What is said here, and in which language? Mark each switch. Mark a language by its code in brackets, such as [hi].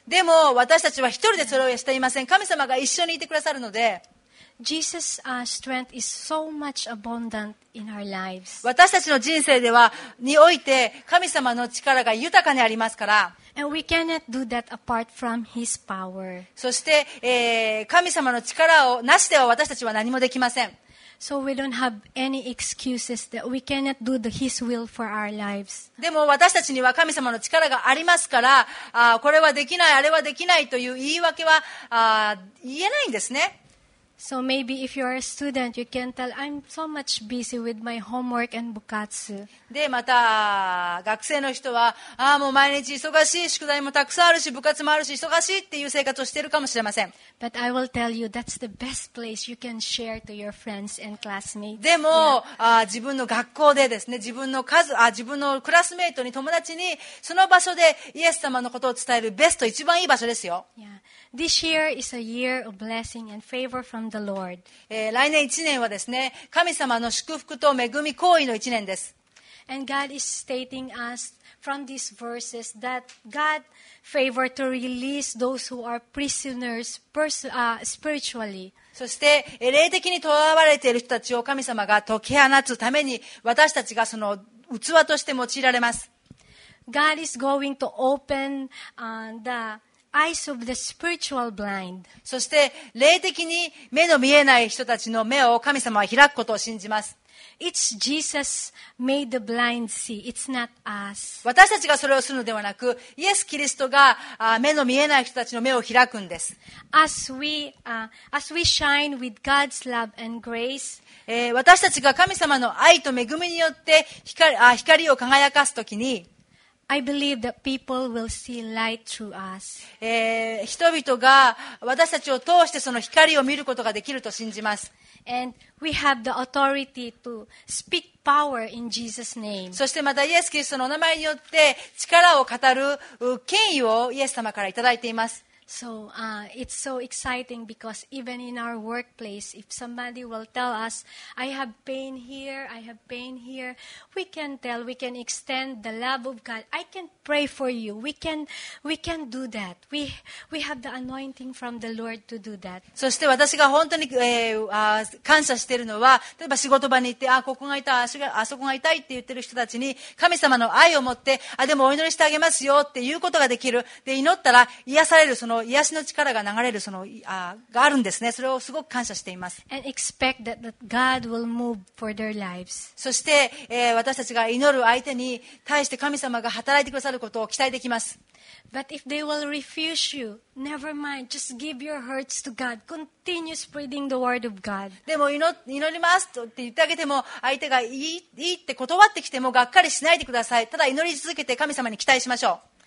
[ja] でも私たちは一人でそれをしていません。神様が一緒にいてくださるので、 [en] Jesus, strength is so much abundant in our lives. [ja] 私たちの人生ではにおいて神様の力が豊かにありますから。 [en] And we cannot do that apart from His power. [ja] そして、神様の力をなしでは私たちは何もできません。 [en] So we don't have any excuses that we cannot do the His will for our lives. [ja] でも私たちには神様の力がありますから、これはできない、あれはできないという言い訳は言えないんですね。 [en] So maybe if you are a student, you can tell I'm so much busy with my homework and bukatsu. [ja] で、また学生の人は、もう毎日忙しい、宿題もたくさんあるし、部活もあるし、忙しいっていう生活をしているかもしれません。 [en] But I will tell you that's the best place you can share to your friends and classmates. [ja] でも、自分の学校でですね、自分のクラスメートに友達にその場所でイエス様のことを伝えるベスト、一番いい場所ですよ。 [en] Yeah. This year is a year of blessing and favor from the Lord. [ja] 来年1年はですね、神様の祝福と恵み、行為の1年です。 [en] And God is stating us from these verses that God favor to release those who are prisoners spiritually. [ja] そして、霊的に囚われている人たちを神様が解き放つために、私たちがその器として用いられます。 [en] God is going to open the Eyes of the spiritual blind. [ja] そして霊的に目の見えない人たちの目を神様は開くことを信じます。 [en] It's Jesus made the blind see. It's not us. [ja] 私たちがそれをするのではなく、イエス・キリストが目の見えない人たちの目を開くんです。 [en] As we shine with God's love and grace, [ja] 私たちが神様の愛と恵みによって光を輝かすときに。 [en] I believe that people will see light through us. [ja] 人々が私たちを通してその光を見ることができると信じます。 [en] And we have the authority to speak power in Jesus' name. [ja] そしてまたイエス・キリストのお名前によって力を語る権威をイエス様からいただいています。 [en] So, it's so exciting because even in our workplace, if somebody will tell us, I have pain here, we can extend the love of God. I can pray for you. We can do that. We have the anointing from the Lord to do that. [ja] そして私が本当に、感謝しているのは、例えば仕事場に行って、ここが痛い、あそこが痛いって言ってる人たちに、神様の愛を持って、でもお祈りしてあげますよっていうことができる。で、祈ったら癒されるその癒しの力が流れるそのがあるんですね。それをすごく感謝しています。 [en] And expect that God will move for their lives. [ja] そして、私たちが祈る相手に対して神様が働いてくださることを期待できます。 [en] But if they will refuse you, never mind. Just give your hearts to God. Continue spreading the word of God. [ja] でも祈りますと言ってあげても相手がいいって断ってきてもがっかりしないでください。ただ祈り続けて神様に期待しましょう。